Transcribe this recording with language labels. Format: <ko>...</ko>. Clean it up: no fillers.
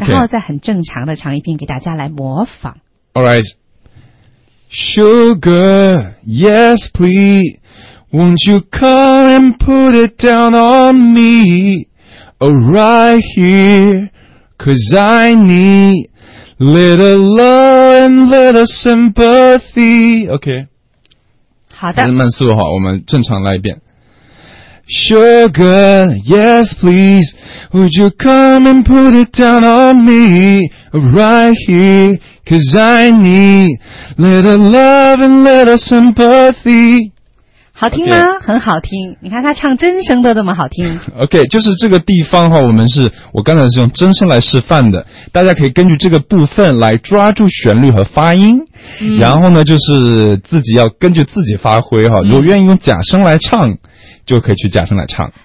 <zh>然后再很正常的唱一遍给大家来模仿。</zh> <en>Alright, sugar, yes please, won't you come and put it down on me, right here, 'cause I need little love and little sympathy. Okay.</en> <zh>好的。还是慢速好，我们正常来一遍。</zh> <en>Sugar, yes please, would you come and put it down on me, right here, 'cause I need little love and little sympathy.</en> <zh>好听吗？</zh> <en>Okay.</en> <zh>很好听，你看他唱真声都这么好听。 OK, 就是这个地方的话，我们是，我刚才是用真声来示范的，大家可以根据这个部分来抓住旋律和发音。嗯、然后呢就是自己要根据自己发挥哈，如果愿意用假声来唱、嗯、就可以去假声来唱。</zh>